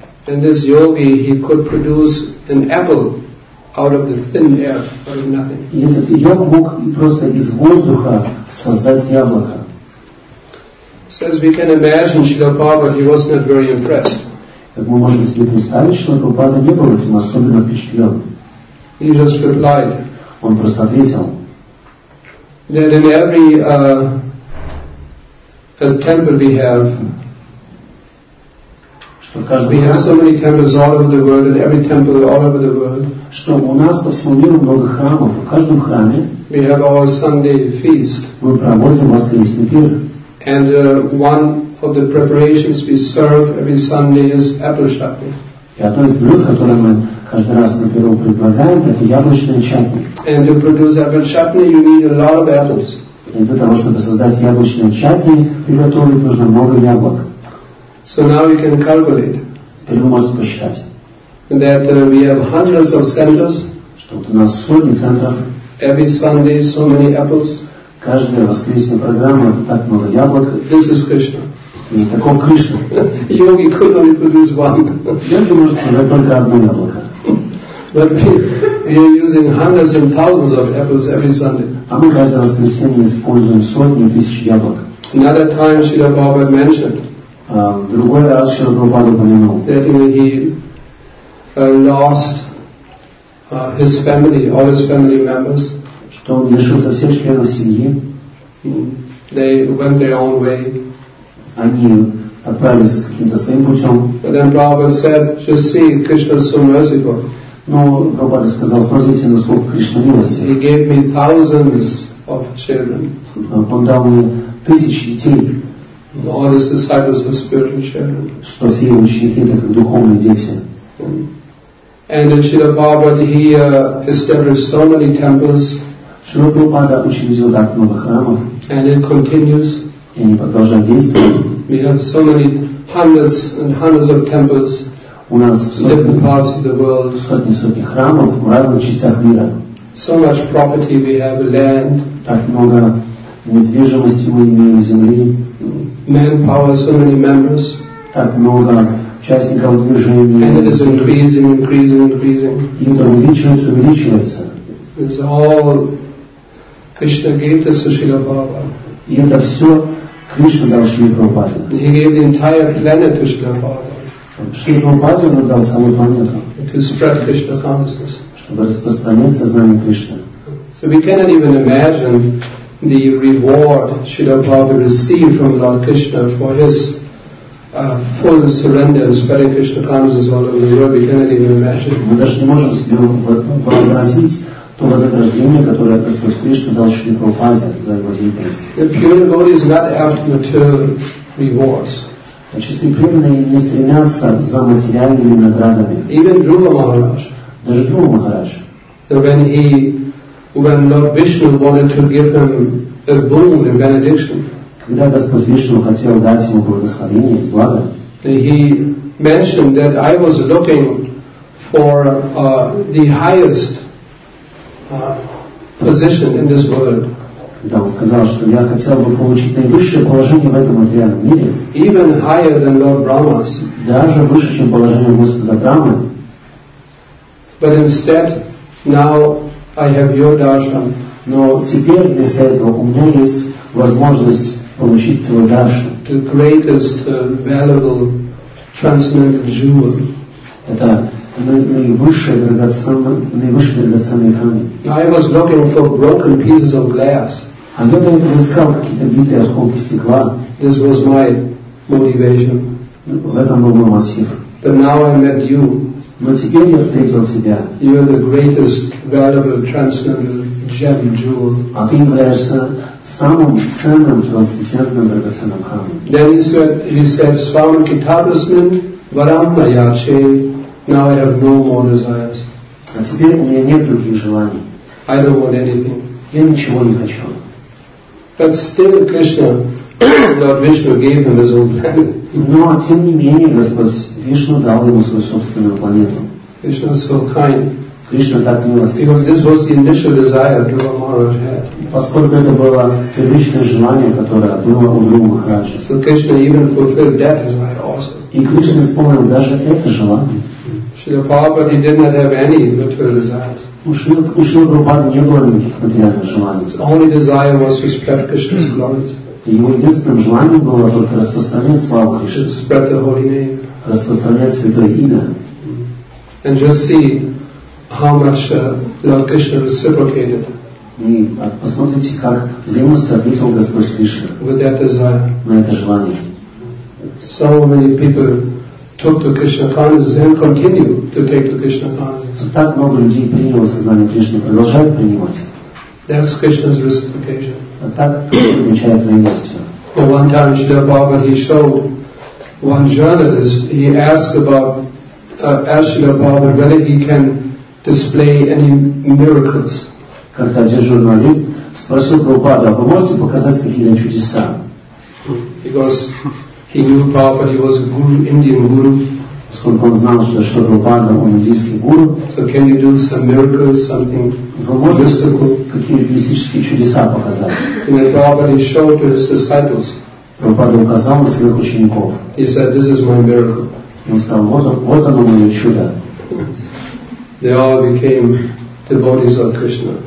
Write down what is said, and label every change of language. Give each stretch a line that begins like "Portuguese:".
English: And this yogi, he could produce an apple out of the thin air, out of nothing.
Russian: И этот йог мог просто из воздуха создать яблоко.
English: Says we can imagine Srila Prabhupada, he was not very impressed.
Russian: Как мы можем себе представить, Шрила Прабхупада не был этим особенно впечатлен.
English: He just replied.
Russian: Он просто ответил.
English: That in every a temple we have. We have so many temples all over the world, and every temple all over the world.
Russian: Что у нас по всему миру много храмов, в каждом храме.
English: We have our Sunday feast.
Russian: Мы проводим воскресный пир.
English: And one of the preparations we serve every Sunday is apple chutney.
Russian: И одно из блюд, которое мы каждый раз на пиру предлагаем, это яблочное чатни.
English: And to produce apple chutney, you need a lot of apples.
Russian: И для того, чтобы создать яблочное чатни, приготовить нужно много яблок.
English: So now we can calculate that we have hundreds of centers.
Russian: Что у нас сотни центров.
English: Every Sunday, so many apples.
Russian: Каждая воскресная программа это так много яблок.
English: This is Krishna.
Russian: И таков Кришна.
English: Yogi could only produce one.
Russian: Йоги может создать только одно яблоко.
English: But we are using hundreds and thousands of apples every Sunday.
Russian: А мы каждое воскресенье используем сотни тысяч яблок.
English: Another time, Srila Prabhupada mentioned.
Russian: Другой раз Шрила Прабхупада упомянул.
English: That he lost his family, all his family members.
Russian: Что он лишился всех членов семьи.
English: They went their own way.
Russian: Они отправились каким-то своим путем.
English: But then Prabhupada said, just see, Krishna is so merciful.
Russian: Но Прабхупада сказал, смотрите, насколько Кришна милостив.
English: He gave me thousands of children.
Russian: Он дал мне тысячи детей.
English: All his disciples are spiritual children.
Russian: Что все его ученики это как духовные дети.
English: And Srila Prabhupada he established so many temples.
Russian: Шрила Прабхупада учредил так много храмов.
English: And it continues.
Russian: И они продолжают действовать.
English: We have so many hundreds and hundreds of temples.
Russian: У нас
English: in different parts of the world.
Russian: Сотни храмов в разных частях мира.
English: So much property we have, land.
Russian: Так много недвижимости мы имеем земли.
English: Manpower, so many members.
Russian: Так много участников движения.
English: And it is increasing, increasing, increasing.
Russian: И это увеличивается, увеличивается.
English: It's all Krishna gave to Srila Prabhupada.
Russian: И это все Кришна дал Шриле Прабхупаде.
English: He gave the entire planet to Srila Prabhupada.
Russian: Шриле Прабхупаде он дал саму планету.
English: To spread Krishna consciousness.
Russian: Чтобы распространить сознание Кришны.
English: So we cannot even imagine the reward Srila Prabhupada received from Lord Krishna for his full surrender and spreading Krishna consciousness all over the world, we cannot even imagine.
Russian: Мы даже не можем себе вообразить то вознаграждение, которое Господь Кришна дал Шриле Прабхупаде за его деятельность.
English: The pure devotee is not after material rewards.
Russian: Чистые преданные не стремятся за материальными наградами.
English: Even Dhruva Maharaj.
Russian: Даже Dhruva Maharaj.
English: When Lord Vishnu wanted to give him a boon, a benediction,
Russian: когда Господь Вишну хотел дать ему благословение, благо,
English: he mentioned that I was looking for the highest position in this world.
Russian: Да, он сказал, что я хотел бы получить наивысшее положение в этом материальном мире.
English: Even higher than Lord Brahma's.
Russian: Даже выше, чем положение Господа Брамы.
English: But instead, now I have your darshan.
Russian: Но теперь вместо этого у меня есть возможность получить твой даршан.
English: The greatest valuable transcendental jewel.
Russian: Это наивысший драгоценный камень.
English: I was looking for broken pieces of glass.
Russian: А я до этого искал какие-то битые осколки стекла.
English: This was my motivation.
Russian: В этом был мой мотив.
English: But now I met you.
Russian: Но теперь я встретил себя.
English: You are the greatest valuable transcendental gem jewel.
Russian: А ты являешься самым ценным трансцендентным драгоценным камнем.
English: Then he said,
Sanskrit: "Swam kitabasmin varamna yache."
English: Now I have no more desires.
Russian: А теперь у меня нет других желаний.
English: I don't want anything.
Russian: Я ничего не хочу.
English: But still, Krishna, Lord Vishnu gave him his own planet.
Russian: Но тем не менее, Господь Вишну дал ему свою собственную планету.
English: Krishna is so kind.
Russian: Кришна так милостив.
English: Because this was the initial desire Dhruva Maharaj had.
Russian: Поскольку это было первичное желание, которое было у Дхрува Махараджа.
English: So Krishna even fulfilled that desire also.
Russian: И Кришна исполнил даже это желание.
English: Шрила Прабхупада, he did not have any material desires.
Russian: У Шрилы Прабхупады не было никаких материальных желаний.
English: His only desire was to spread Krishna's glory.
Russian: Его единственным желанием было только распространять славу Кришны.
English: To spread the holy name.
Russian: Распространять святое имя.
English: And just see how much Lord Krishna reciprocated.
Russian: И посмотрите, как взаимностью ответил Господь Кришна.
English: With that desire.
Russian: На это желание.
English: So many people took to Krishna consciousness and continue to take to Krishna consciousness.
Russian: Так много людей приняло сознание Кришны, продолжают принимать.
English: That's Krishna's reciprocation.
Russian: Так отвечает взаимностью.
English: But one time Śrīla Prabhupāda, he showed one journalist, he asked about Śrīla Prabhupāda whether he can display any miracles.
Russian: Как-то один журналист спросил Прабхупаду, а вы можете показать какие-то чудеса?
English: Because he knew Prabhupada, he was a guru, Indian guru.
Russian: Поскольку он знал, что Прабхупада, он индийский гуру.
English: So can you do some miracles, something mystical?
Russian: Вы можете какие-то мистические чудеса показать?
English: And Prabhupada showed to his disciples.
Russian: Прабхупада указал на своих учеников.
English: He said, this is my miracle.
Russian: Он сказал, вот оно мое чудо.
English: They all became devotees of Krishna.